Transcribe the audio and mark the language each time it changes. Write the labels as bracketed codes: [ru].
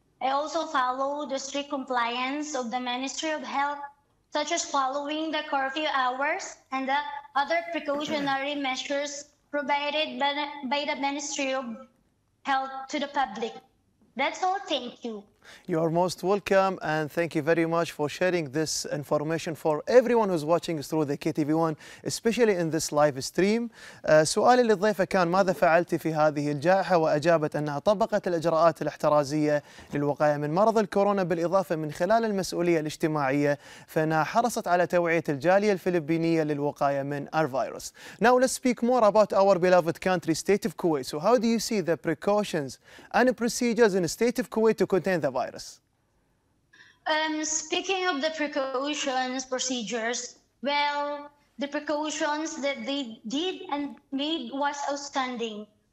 [en] I also follow the strict compliance of the Ministry of Health, such as following the curfew hours and the other precautionary measures provided by the Ministry of Health to the public. That's all. Thank you. You are most welcome, and thank you very much for sharing this information for everyone who's watching us through the KTV1, especially in this live stream. [ar] سؤالي للضيفة كان ماذا فعلت في هذه الجائحة؟ وأجابت أنها طبقت الإجراءات الاحترازية للوقاية من مرض الكورونا بالإضافة من خلال المسؤولية الاجتماعية فإنها حرصت على توعية الجالية الفلبينية للوقاية من الفيروس. [en] Now let's speak more about our beloved country, state of Kuwait. So how do you see the precautions and procedures in the state of Kuwait to contain the virus? Speaking of the precautions procedures, well, the precautions that they did and made was outstanding.